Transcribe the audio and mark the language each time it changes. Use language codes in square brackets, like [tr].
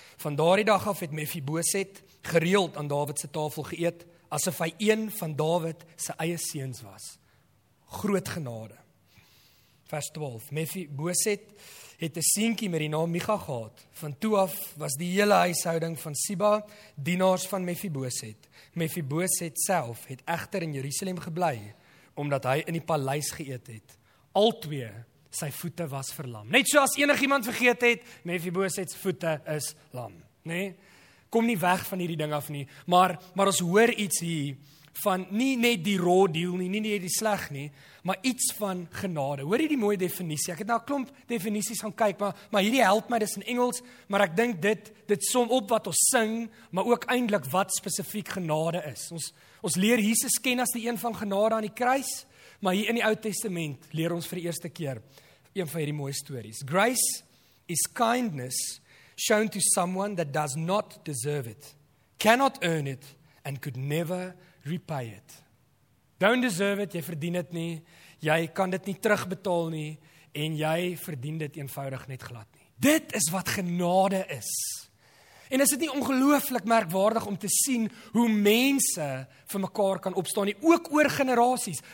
[af] Van daardie dag af het Mefiboset gereeld aan Dawid se tafel geëet, asof hy een van Dawid se eie seuns was. Groot genade. Vers 12. Mefiboset het 'n seentjie met die naam Micha gehad. Van toe af was die hele huishouding van Siba dienaars van Mefiboset. Mefiboset self het egter in Jerusalem gebly, omdat hy in die paleis geëet het. Altwee sy voete was verlam. Net soos enigiemand vergeet het, Mefiboset se voete is lam. Nee, kom nie weg van hierdie ding af nie. Maar ons hoor iets hier van nie net die raw deal nie, nie net die sleg nie, maar iets van genade. Hoor jy die mooie definisie? Ek het nou 'n klomp definisies gaan kyk, maar hierdie help my, dis in Engels, maar ek dink dit som op wat ons sing, maar ook eintlik wat spesifiek genade is. Ons leer Jesus ken as die een van genade aan die kruis, maar hier in die Ou Testament leer ons vir die eerste keer een van hierdie mooie stories. [en] Grace is kindness shown to someone that does not deserve it, cannot earn it, and could never repay it. Don't deserve it, [af] jy verdien dit nie, jy kan dit nie terugbetaal nie, en jy verdien dit eenvoudig net glad nie. Dit is wat genade is. En is dit nie ongelooflik merkwaardig om te sien hoe mense vir mekaar kan opstaan nie, ook oor generasies?